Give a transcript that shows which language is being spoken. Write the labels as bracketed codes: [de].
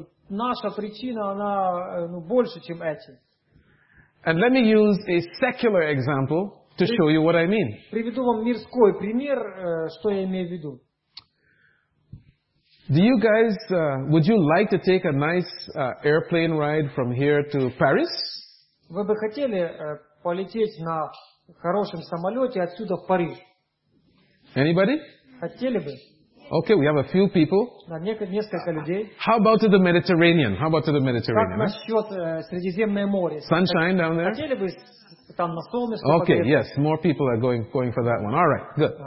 [ru] Наша причина, она больше, чем эти. [en] And let me use a secular example to show you what I mean. [ru] Приведу вам мирской пример, что я имею в виду. [en] Do you guys, would you like to take a nice airplane ride from here to Paris? [ru] Вы бы хотели полететь на хорошем самолете отсюда в Париж? [en] Anybody? [ru] Хотели бы. [en] Okay, we have a few people. [ru] Да, несколько людей. [en] How about to the Mediterranean? How about to the Mediterranean? [ru] Как насчет Средиземное море? [en] Sunshine down there? [ru] Хотели бы там на солнышко. [en] Okay, yes, more people are going for that one. All right, good.